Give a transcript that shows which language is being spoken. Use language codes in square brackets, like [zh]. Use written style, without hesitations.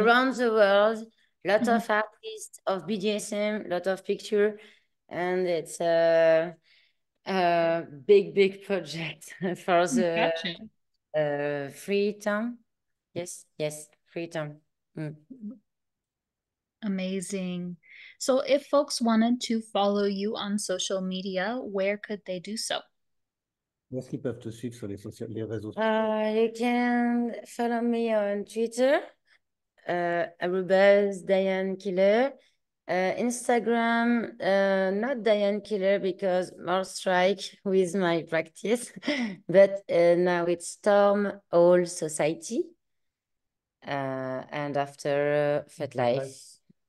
[en] Around the world, lot of artists of BDSM, lot of picture, and it's a big project for Gotcha. the free time. Yes, free time. Amazing. So if folks wanted to follow you on social media, where could they do so? [fr] Où est-ce qu'ils peuvent te suivre sur les réseaux sociaux? [en] You can follow me on Twitter, @DianeKiller, Instagram, not Diane Killer because more strike with my practice, but now it's Storm All Society, and after Fet Life.